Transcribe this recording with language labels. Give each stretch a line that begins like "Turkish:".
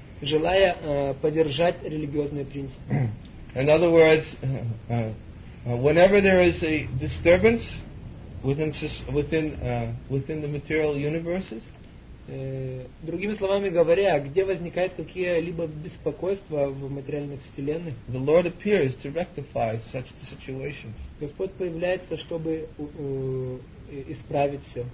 Russian: Желая поддержать религиозные принципы.
English: In other words, whenever there is a disturbance within the material universes.
Russian: Другими словами говоря, где возникают какие-либо беспокойства в материальных вселенных?
English: The Lord appears to rectify such situations.
Russian: Господь появляется, чтобы исправить все.